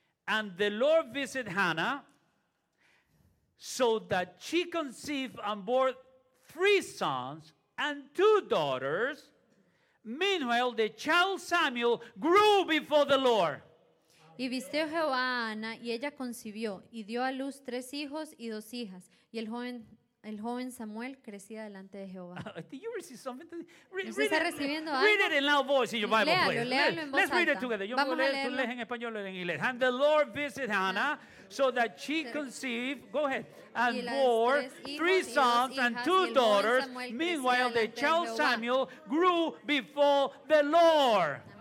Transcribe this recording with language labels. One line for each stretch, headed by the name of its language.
English: And the Lord visited Hannah so that she conceived and bore 3 sons and 2 daughters. Meanwhile, the child Samuel grew before the Lord.
Spanish: Y vistió Jehová a Ana, y ella concibió, y dio a luz 3 hijos y 2 hijas, y el joven Samuel crecía delante de Jehová.
English: Did you receive something?
Spanish: ¿Está recibiendo algo?
English: Read it in loud voice in your Bible, please.
Spanish: Léalo, léalo en voz
English: Let's
Spanish: alta.
English: Read it together.
Spanish: Vamos a leerlo. Tú lees en español o en inglés.
English: And the Lord visited Hannah so that she conceived, go ahead, and bore 3 sons and 2 daughters. Meanwhile, the child Samuel grew before the Lord.